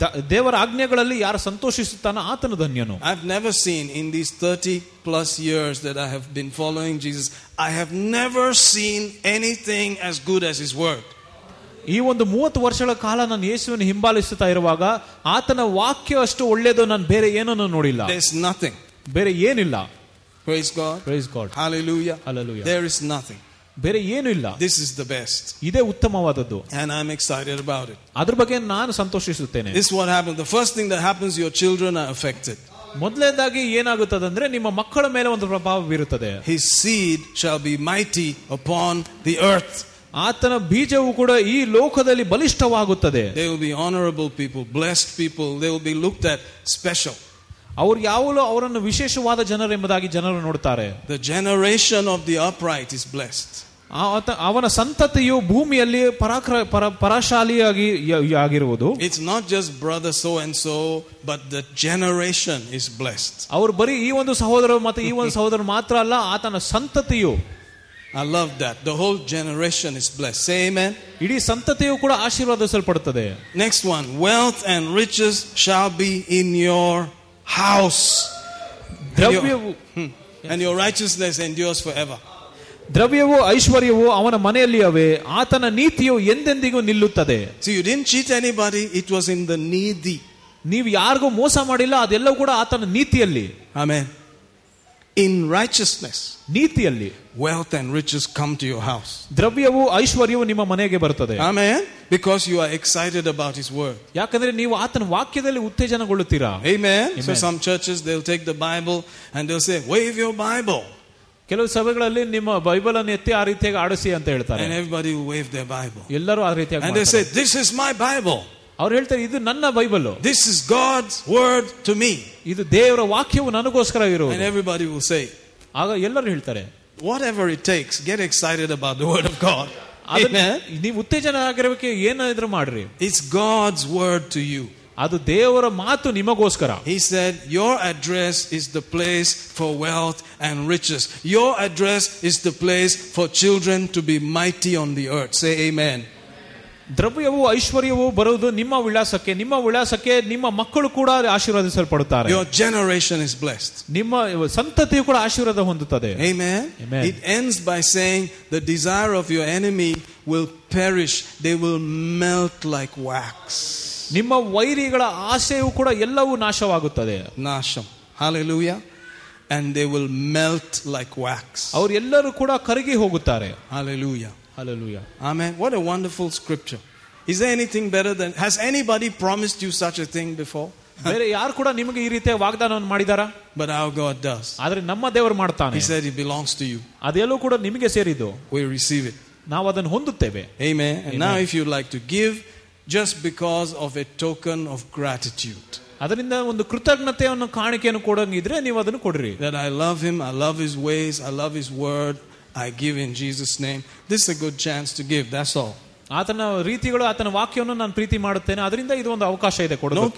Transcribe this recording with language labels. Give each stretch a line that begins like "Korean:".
Kannada: ದೇವರ ಆಜ್ಞೆಗಳಲ್ಲಿ ಯಾರು ಸಂತೋಷಿಸುತ್ತಾನ ಆತನು ಧನ್ಯನು.
English: I've never seen in these 30 plus years that I have been following Jesus, I have never seen anything as good as his word.
Kannada: ಈ ಒಂದು 30 ವರ್ಷಗಳ ಕಾಲ ನಾನು ಯೇಸುವನ್ನು ಹಿಂಬಾಲಿಸುತ್ತಾ ಇರುವಾಗ ಆತನ ವಾಕ್ಯ ಅಷ್ಟು ಒಳ್ಳೆಯದು ನಾನು ಬೇರೆ ಏನನ್ನು ನೋಡಿಲ್ಲ.
English: There is nothing.
Kannada: ಬೇರೆ ಏನಿಲ್ಲ.
English: Praise God. Praise God. Hallelujah. Hallelujah. There is nothing.
Kannada: ಬೇರೆ ಏನು ಇಲ್ಲ.
English: This is the best.
Kannada: ಇದೇ ಉತ್ತಮವಾದದ್ದು.
English: And I'm excited about it.
Kannada: ಅದರ ಬಗ್ಗೆ ನಾನು ಸಂತೋಷಿಸುತ್ತೇನೆ.
English: This is what happens. The first thing that happens, your children are affected.
Kannada: ಮೊದಲನೇದಾಗಿ ಏನಾಗುತ್ತದೆ ಅಂದ್ರೆ ನಿಮ್ಮ ಮಕ್ಕಳ ಮೇಲೆ ಒಂದು ಪ್ರಭಾವ ಬೀರುತ್ತದೆ.
English: His seed shall be mighty upon the earth.
Kannada: ಆತನ ಬೀಜವು ಕೂಡ ಈ ಲೋಕದಲ್ಲಿ ಬಲಿಷ್ಠವಾಗುತ್ತದೆ.
English: They will be honorable people, blessed people. They will be looked at special.
Kannada: ಅವರು ಯಾವಲೋ ಅವರನ್ನು ವಿಶೇಷವಾದ ಜನರು ಎಂಬುದಾಗಿ ಜನರು ನೋಡುತ್ತಾರೆ.
English: The generation of the upright is blessed.
Kannada: ಅವನ ಸಂತತಿಯು ಭೂಮಿಯಲ್ಲಿ ಪರಾಶಾಲಿಯಾಗಿ ಆಗಿರುವುದು.
English: It's not just brother so and so, but the generation is blessed.
Kannada: ಅವರು ಬರೀ ಈ ಒಂದು ಸಹೋದರ ಮತ್ತು ಈ ಒಂದು ಸಹೋದರ ಮಾತ್ರ ಅಲ್ಲ, ಆತನ ಸಂತತಿಯು.
English: I love that. The whole generation is blessed. Say amen.
Kannada: ಇಡಿ ಸಂತತಿಯು ಕೂಡ ಆಶೀರ್ವಾದಿಸಲ್ಪಡುತ್ತದೆ.
English: Next one. Wealth and riches shall be in your house.
Kannada: ದ್ರವ್ಯವು
English: and your righteousness endures forever.
Kannada: ದ್ರವ್ಯವು ಐಶ್ವರ್ಯವು ಅವನ ಮನೆಯಲ್ಲಿಯವೇ, ಆತನ ನೀತಿಯು ಎಂದೆಂದಿಗೂ ನಿಲ್ಲುತ್ತದೆ.
English: So you didn't cheat anybody. It was in the needy.
Kannada: ನೀವು ಯಾರಿಗೂ ಮೋಸ ಮಾಡಿಲ್ಲ, ಅದೆಲ್ಲವೂ ಕೂಡ ಆತನ ನೀತಿಯಲ್ಲಿ.
English: Amen. In righteousness,
Kannada: ನೀತಿಯಲ್ಲಿ,
English: wealth and riches come to your house.
Kannada: ದ್ರವ್ಯವು ಐಶ್ವರ್ಯವು ನಿಮ್ಮ ಮನೆಗೆ ಬರುತ್ತದೆ.
English: Amen. Because you are excited about his word.
Kannada: ಯಾಕಂದ್ರೆ ನೀವು ಆತನ ವಾಕ್ಯದಲ್ಲಿ ಉತ್ತೇಜನಗೊಳ್ಳುತ್ತೀರಾ.
English: Amen. So some churches, they'll take the Bible and they'll say, wave your Bible.
Kannada: ಕೆಲವು ಸಭೆಗಳಲ್ಲಿ ನಿಮ್ಮ ಬೈಬಲ್ ಅನ್ನು ಎತ್ತಿ ಆ ರೀತಿಯಾಗಿ ಆಡಿಸಿ ಅಂತ ಹೇಳ್ತಾರೆ.
English: And everybody will wave their Bible.
Kannada: ಎಲ್ಲರೂ ಆ ರೀತಿಯಾಗಿ ಮಾಡ್ತಾರೆ.
English: And they say, this is my Bible.
Kannada: ಅವ್ರು ಹೇಳ್ತಾರೆ, ಇದು ನನ್ನ Bible.
English: This is God's word to me.
Kannada: ಇದು ದೇವರ ವಾಕ್ಯವು ನನಗೋಸ್ಕರ ಇರುವುದು.
English: And everybody will say,
Kannada: ಆಗ ಎಲ್ಲರೂ ಹೇಳ್ತಾರೆ,
English: whatever it takes, get excited about the word of God.
Kannada: ನೀವು ಉತ್ತೇಜನ ಆಗಿರೋಕೆ ಏನಾದ್ರೂ ಮಾಡ್ರಿ.
English: It's God's word to you.
Kannada: ಅದು ದೇವರ ಮಾತು ನಿಮಗೋಸ್ಕರ.
English: He said, your address is the place for wealth and riches. Your address is the place for children to be mighty on the earth. Say amen.
Kannada: ದ್ರವ್ಯವು ಐಶ್ವರ್ಯವು ಬರುವುದು ನಿಮ್ಮ ವಿಳಾಸಕ್ಕೆ, ನಿಮ್ಮ ವಿಳಾಸಕ್ಕೆ ನಿಮ್ಮ ಮಕ್ಕಳು ಕೂಡ ಆಶೀರ್ವದಿಸಲ್ಪಡುತ್ತಾರೆ.
English: Your generation is blessed.
Kannada: ನಿಮ್ಮ ಸಂತತಿಯು ಕೂಡ ಆಶೀರ್ವಾದ ಹೊಂದುತ್ತದೆ.
English: Amen. Amen. It ends by saying, the desire of your enemy will perish, they will melt like wax.
Kannada: ನಿಮ್ಮ ವೈರಿಗಳ ಆಸೆಯು ಕೂಡ ಎಲ್ಲವೂ ನಾಶವಾಗುತ್ತದೆ. ನಾಶಂ.
English: Hallelujah. and they will melt like wax. Hallelujah. Hallelujah. Amen. What a wonderful scripture. Is there anything better than... Has anybody promised you such a thing before? But our God does. He said it belongs to you. We receive it. Amen. And Amen. Now if you'd like to give, just because of a token of gratitude.
Kannada: ಅದರಿಂದ ಒಂದು ಕೃತಜ್ಞತೆಯನ್ನು ಕಾಣಿಕೆಯನ್ನು ಕೊಡಂಗಿದ್ರೆ ನೀವು ಅದನ್ನು ಕೊಡ್ರಿ.
English: That I love him, I love his ways, I love his word, I give in Jesus' name. This is a good chance to give, that's all.
Kannada: ಆತನ ರೀತಿಗಳು ಆತನ ವಾಕ್ಯವನ್ನು ನಾನು ಪ್ರೀತಿ ಮಾಡುತ್ತೇನೆ ಅದರಿಂದ ಇದು ಒಂದು ಅವಕಾಶ ಇದೆ ಕೊಡೋದಕ್ಕೆ.